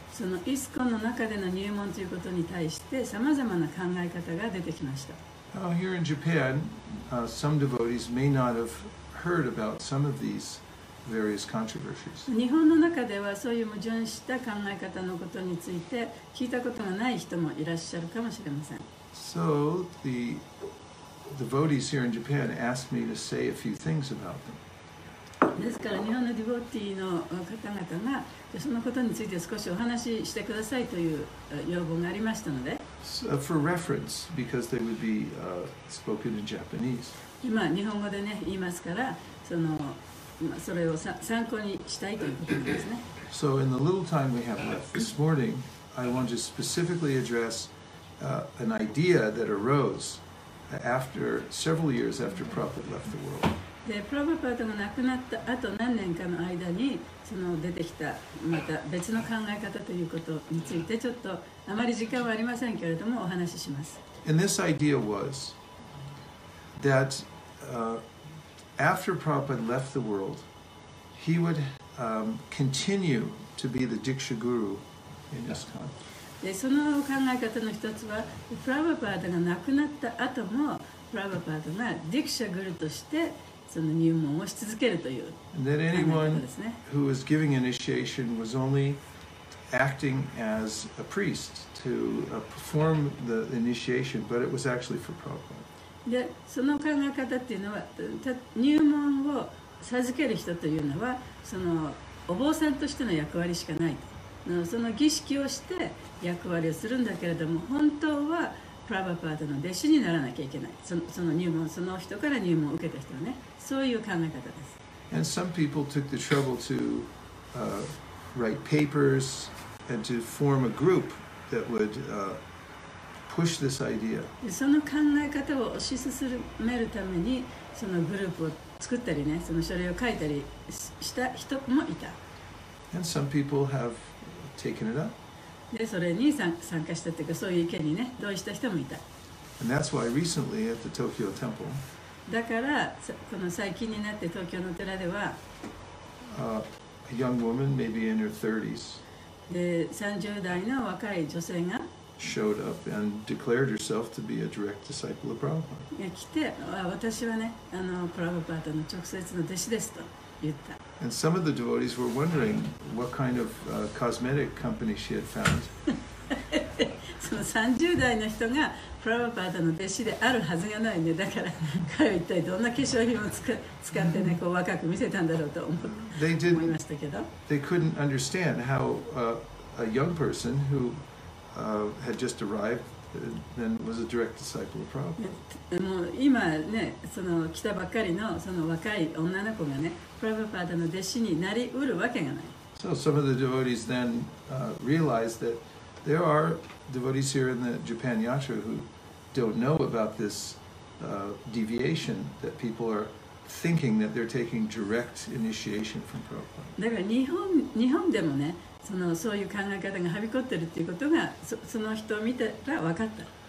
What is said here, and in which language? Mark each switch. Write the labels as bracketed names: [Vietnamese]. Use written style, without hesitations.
[Japanese] そのイスコンの中での入門ということに対して様々な考え方が出てきました。 [English] Now, here in Japan, some devotees may not have heard about some of these various controversies. [Japanese] 日本の中ではそういう矛盾した考え方のことについて聞いたことがない人もいらっしゃるかもしれません。 [English] So the devotees here in Japan asked me to say a few things about them. [Japanese] ですから日本のディボティの方々がそのことについて少しお話ししてくださいという要望がありましたので。 [English] So, for reference, because they would be spoken in Japanese. [Japanese] 今日本語でね言いますから、それを参考にしたいということですね。 [English] So in the little time we have left this morning, I want to specifically address an idea that arose. After several years after Prabhupada left the world. [Japanese] で、プラヴァパーダが亡くなった後何年かの間にその出てきたまた別の考え方ということについてちょっとあまり時間はありませんけれどもお話しします。 [English] And this idea was that after Prabhupada left the world, he would continue to be the Diksha Guru in ISKCON. [Japanese] でその考え方の一つはプラヴァパーダが亡くなった後もプラヴァパーダがディクシャグルとしてその入門をし続けるという考え方ですね。 [English] Who was giving initiation was only acting as a priest to perform the initiation, but it was actually for Prabhupada. [Japanese] でその考え方っていうのは入門を授ける人というのはそのお坊さんとしての役割しかない。その儀式をして役割をするんだけれども本当はプラヴァパーダの弟子にならなきゃいけない。その入門その人から入門を受けた人はね、そういう考え方です。 [English] And some people took the trouble to write papers and to form a group that would push this idea. [Japanese] その考え方を推し進めるためにそのグループを作ったりね、その書類を書いたりした人もいた。 [English] And some people haveTaken it up. [Japanese] でそれに参加したというかそういう意見にね同意した人もいた。 [English] And that's why recently at the Tokyo Temple, [Japanese] だからこの最近になって東京の寺では、 [English] a young woman, maybe in her 30s, [Japanese] で30代の若い女性が [English] showed up and declared herself to be a direct disciple of Prabhupada. [Japanese] 来て私はねプラヴァパーダの直接の弟子ですと。 [English] And some of the devotees were wondering what kind of cosmetic company she had found. [Japanese] その30代の人がプラバパーダの弟子であるはずがないね。だから彼は一体どんな化粧品を使ってね、こう若く見せたんだろうと思いましたけど。 [English] They couldn't understand how a young person who had just arrived then was a direct disciple of Prabhupada. [Japanese] もう今ね、その来たばっかりのその若い女の子がね、プラバパーダの弟子になりうるわけがない。 [English] So some of the devotees then realized that there are devotees here in the Japan Yatra who don't know about this deviation that people are thinking that they're taking direct initiation from Prabhupada. [Japanese] だから日本でもね、そのそういう考え方がはびこってるっていうことが その人を見たら分かった。